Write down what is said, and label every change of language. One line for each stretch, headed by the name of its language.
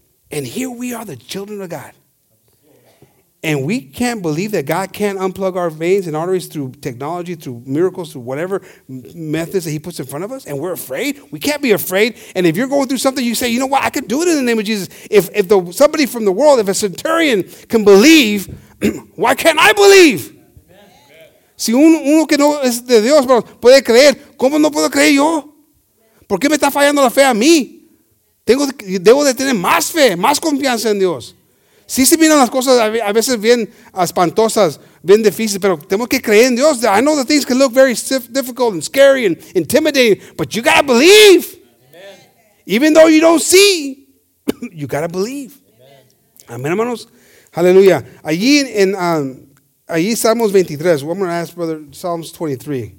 English: And here we are, the children of God. And we can't believe that God can't unplug our veins and arteries through technology, through miracles, through whatever methods that he puts in front of us. And we're afraid. We can't be afraid. And if you're going through something, you say, you know what? I could do it in the name of Jesus. If the somebody from the world, if a centurion can believe, why can't I believe?
Spanish: Si uno que no es de Dios puede creer, ¿cómo no puedo creer yo? ¿Por qué me está fallando la fe a mí? Debo de tener más fe, más confianza en Dios. Sí se miran las cosas a veces bien espantosas, bien difíciles, pero tenemos que creer en Dios.
English: I know that things can look very difficult and scary and intimidating, but you got to believe. Amen. Even though you don't see, you got to believe.
Spanish: Amen. Amen, hermanos. Hallelujah. Allí en allí Salmos 23.
English: I'm going to ask, brother, Psalms 23.